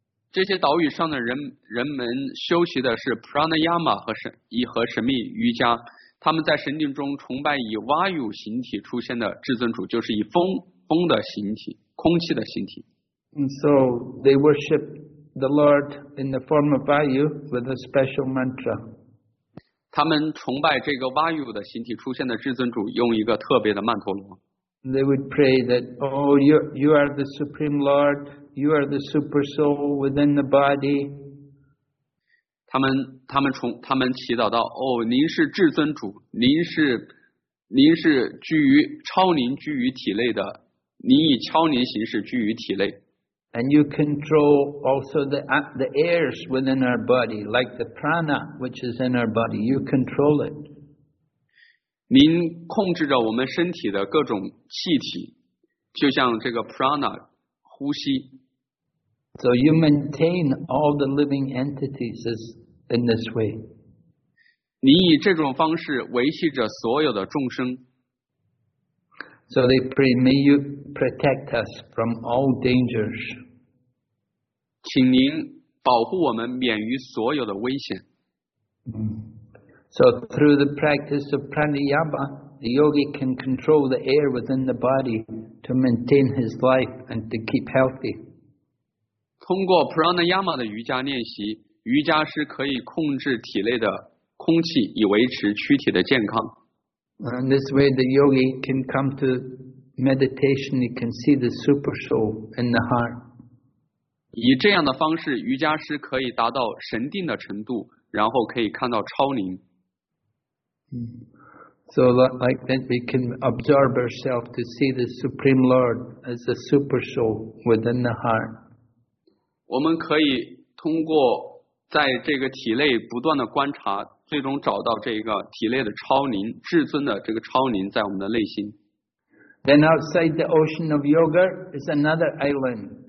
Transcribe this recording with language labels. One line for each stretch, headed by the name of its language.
Chinese: 这些岛屿上的人们修习的是 pranayama 和神秘瑜伽，他们在神境中崇拜以 vayu 形体出现的至尊主，就是以风的形体、空气的形体。
English: And so they worship the Lord in the form of vayu with a special mantra.
Chinese: 他们崇拜这个 Vayu 的形体出现的至尊主，用一个特别的曼陀罗。
English: They would pray that, oh, you are the Supreme Lord, you are the Super Soul within the body.
Chinese: 他们祈祷到，哦，您是至尊主，您是居于超灵居于体内的，您以超灵形式居于体内。
English: And you control also the airs within our body, like the prana which is in our body. You control it.
Chinese: 您控制着我们身体的各种气体，就像这个 prana 呼吸。
English: So you maintain all the living entities in this way.
Chinese: 您以这种方式维系着所有的众生。
English: So they pray, may you protect us from all dangers.
Chinese: 请您保护我们免于所有的危险。
English: So through the practice of pranayama, the yogi can control the air within the body to maintain his life and to keep healthy.
Chinese: 通过 pranayama 的瑜伽练习，瑜伽师可以控制体内的空气，以维持躯体的健康。
English: And this way, the yogi can come to meditation. He can see the super soul in the heart.
Chinese: 以这样的方式，瑜伽师可以达到神定的程度，然后可以看到超灵。
English: So like that, we can absorb ourselves to see the Supreme Lord as a super soul within the heart.
Chinese: 我们可以通过在这个体内不断的观察，最终找到这个体内的超灵，至尊的这个超灵在我们的内心。
English: Then outside the ocean of yoga is another island.